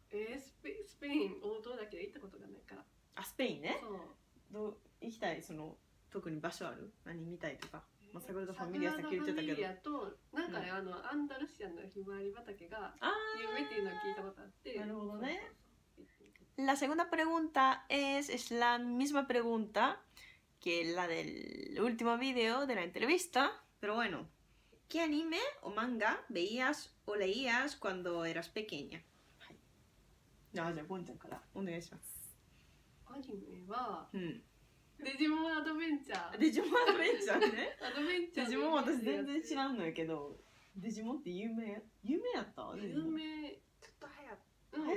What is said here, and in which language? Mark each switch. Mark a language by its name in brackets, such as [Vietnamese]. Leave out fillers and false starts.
[Japanese] スペイン、王道だけど行ったことがないから。あ、スペインね。そう。どう、行きたい、その、特に場所ある？何見たいとか、まあ、サグラダ・ ファミリアさっき言ってたけど、サグラダ・ファミリアとなんかね、うん、あのアンダルシアのひまわり畑が有名っていうのは聞いたことあって、なるほどね。 [Spanish] La segunda pregunta es la misma pregunta que la del último video de la entrevista, pero bueno, ¿qué anime o manga veías o leías cuando eras pequeña? [Japanese] はい。じゃあ、ポンちゃんからお願いします。アニメは、うん。デジモンアドベンチャー。デジモンアドベンチャーね。アドベンチャー。デジモン私全然知らんのやけど、デジモンって有名？有名やった？有名。ちょっと流行った